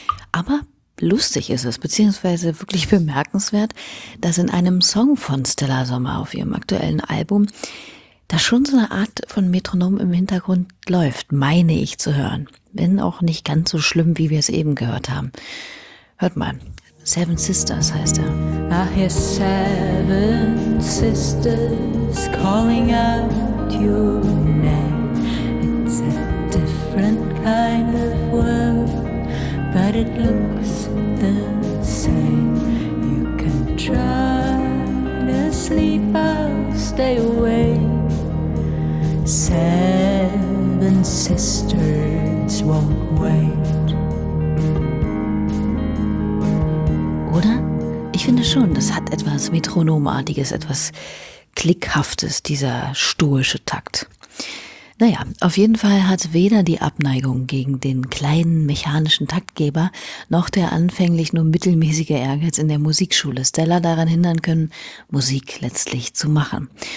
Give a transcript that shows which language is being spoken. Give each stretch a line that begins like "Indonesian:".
German: Aber lustig ist es, beziehungsweise wirklich bemerkenswert, dass in einem Song von Stella Sommer auf ihrem aktuellen Album da schon so eine Art von Metronom im Hintergrund läuft, meine ich zu hören. Wenn auch nicht ganz so schlimm, wie wir es eben gehört haben. Hört mal, Seven Sisters heißt er.
English: I hear seven sisters calling out your name. It's a different kind of world, but it looks the same. You can try to sleep, I'll stay away. Seven sisters won't wait.
German: Oder? Ich finde schon, das hat etwas Metronomartiges, etwas Klickhaftes, dieser stoische Takt. Naja, auf jeden Fall hat weder die Abneigung gegen den kleinen mechanischen Taktgeber noch der anfänglich nur mittelmäßige Ehrgeiz in der Musikschule Stella daran hindern können, Musik letztlich zu machen.